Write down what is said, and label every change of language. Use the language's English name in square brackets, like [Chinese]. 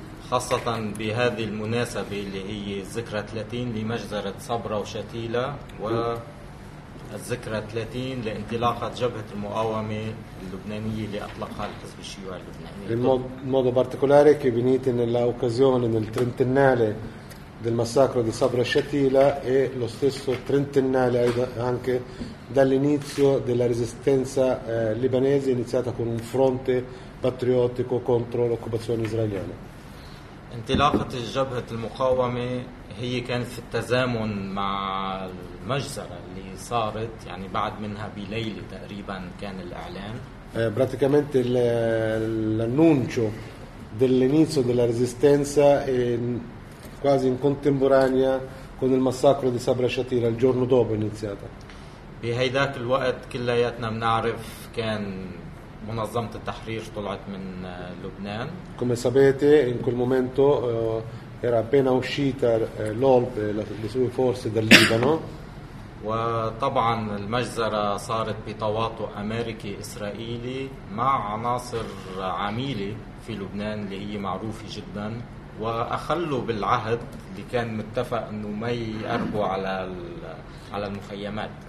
[Arabic] خاصة بهذه المناسبة اللي هي ذكرى 30 لمجزرة صبرا وشتيلة والذكرى 30 لانطلاقة جبهة المقاومة اللبنانية اللي أطلقها الحزب الشيوعي اللبناني. [Italian] In modo particolare che venite nella occasione nel trentennale del massacro di Sabra Shatila e lo stesso trentennale anche dall'inizio della resistenza libanese iniziata con un fronte patriottico contro l'occupazione israeliana. [Arabic] انطلاقة الجبهة المقاومة هي كانت في التزامن مع المجزرة اللي صارت يعني بعد منها بليلة تقريبا كان الإعلان. [Italian] Praticamente l'annuncio dell'inizio della resistenza è quasi in contemporanea con il massacro di Sabra Shatila, il giorno dopo è iniziata. [Arabic] بهيداك الوقت كلياتنا بنعرف كان منظمة التحرير طلعت من لبنان. [Italian] Come sapete, in quel momento era appena uscita l'OLP, le sue forze dal Libano. [Arabic] وطبعا المجزرة صارت بتواطؤ أمريكي إسرائيلي مع عناصر عميلة في لبنان اللي هي معروفة جدا وأخلوا بالعهد اللي كان متفق إنه ما يقربوا على المخيمات.